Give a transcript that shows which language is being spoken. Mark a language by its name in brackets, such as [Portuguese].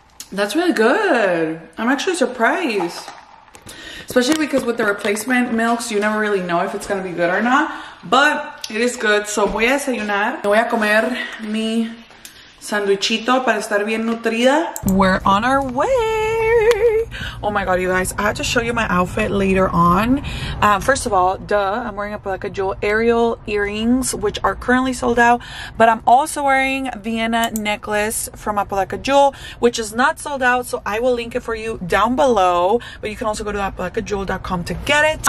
[English] That's really good. I'm actually surprised. Especially because with the replacement milks, you never really know if it's gonna be good or not. But it is good. So [Spanish] voy a desayunar. Me voy a comer mi sandwichito para estar bien nutrida. [English] We're on our way. Oh my God, you guys. I have to show you my outfit later on. First of all, duh, I'm wearing a Apodaca jewel aerial earrings, which are currently sold out. But I'm also wearing Vienna necklace from Apodaca jewel, which is not sold out. So I will link it for you down below. But you can also go to apodacajewel.com to get it.